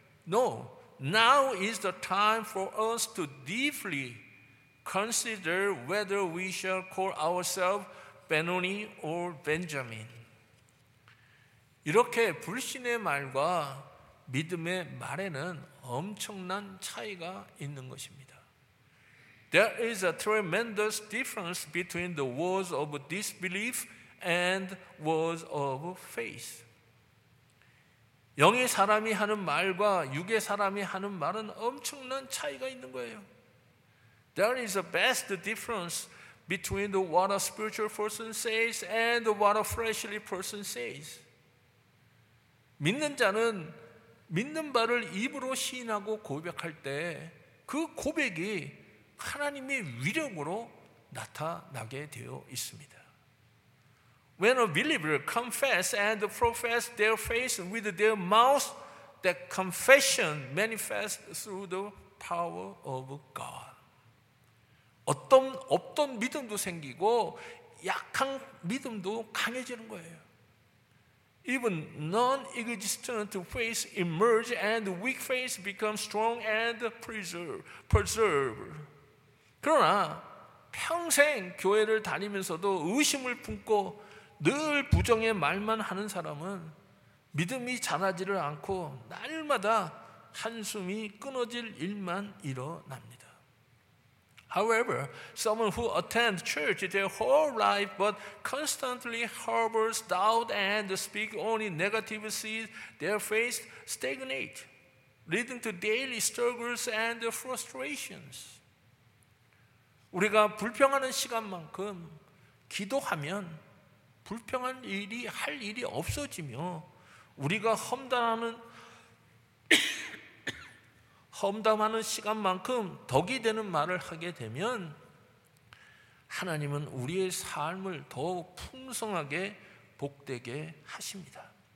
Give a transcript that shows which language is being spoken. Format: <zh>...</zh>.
<en>No, now is the time for us to deeply consider whether we shall call ourselves Benoni or Benjamin.</en> <ko>이렇게 불신의 말과 믿음의 말에는 엄청난 차이가 있는 것입니다.</ko> <en>There is a tremendous difference between the words of disbelief and words of faith.</en> <ko>영의 사람이 하는 말과 육의 사람이 하는 말은 엄청난 차이가 있는 거예요.</ko> <en>There is a vast difference between the what a spiritual person says and what a fleshly person says.</en> <ko>믿는 자는 믿는 바를 입으로 시인하고 고백할 때 그 고백이 하나님의 위력으로 나타나게 되어 있습니다.</ko> <en>When a believer confesses and professes their faith with their mouth, that confession manifests through the power of God.</en> <ko>어떤 믿음도 생기고 약한 믿음도 강해지는 거예요.</ko> <en>Even non-existent faith emerges and weak faith becomes strong and preserved.</en> <ko>그러나 평생 교회를 다니면서도 의심을 품고 늘 부정의 말만 하는 사람은 믿음이 자라지를 않고 날마다 한숨이 끊어질 일만 일어납니다.</ko> <en>However, someone who attends church their whole life but constantly harbors doubt and speaks only negative seeds, their faith stagnates, leading to daily struggles and frustrations.</en> <ko>우리가 불평하는 시간만큼 기도하면 불평한 일이 할 일이 없어지며 우리가 험담하는 시간만큼 덕이 되는 말을 하게 되면 하나님은 우리의 삶을 더욱 풍성하게 복되게 하십니다.</ko>